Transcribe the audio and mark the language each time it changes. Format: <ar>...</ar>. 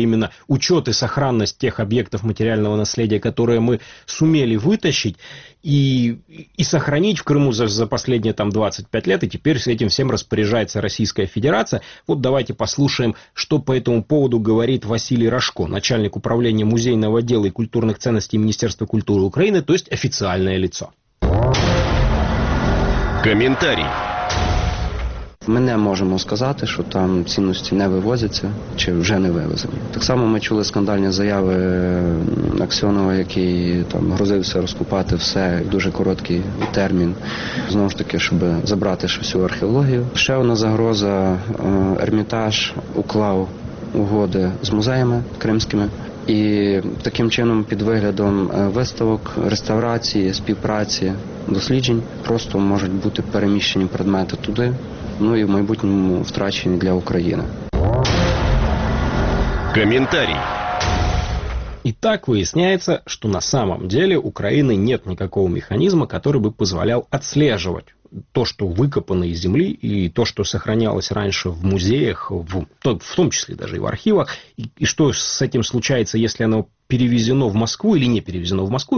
<ru>Именно учет и сохранность тех объектов материального наследия, которые мы сумели вытащить и сохранить в Крыму за последние там 25 лет. И теперь с этим всем распоряжается Российская Федерация. Вот давайте послушаем, что по этому поводу говорит Василий Рожко, начальник управления музейного отдела и культурных ценностей Министерства культуры Украины, то есть официальное лицо. Комментарий.</ru> <uk>Ми не можемо сказати, що там цінності не вивозяться чи вже не вивезені. Так само ми чули скандальні заяви Аксьонова, який там грозився розкопати все в дуже короткий термін, знову ж таки, щоб забрати всю археологію. Ще одна загроза – Ермітаж уклав угоди з музеями кримськими. І таким чином під виглядом виставок, реставрації, співпраці, досліджень просто можуть бути переміщені предмети туди.</uk> <ru>Ну и</ru> <uk>в майбутньому втрачені для України.</uk> <ru>Коментарий. Итак, выясняется, что на самом деле у Украины нет никакого механизма, который бы позволял отслеживать то, что выкопано из земли, и то, что сохранялось раньше в музеях, в том числе даже и в архивах, и что с этим случается, если оно перевезено в Москву или не перевезено в Москву.</ru>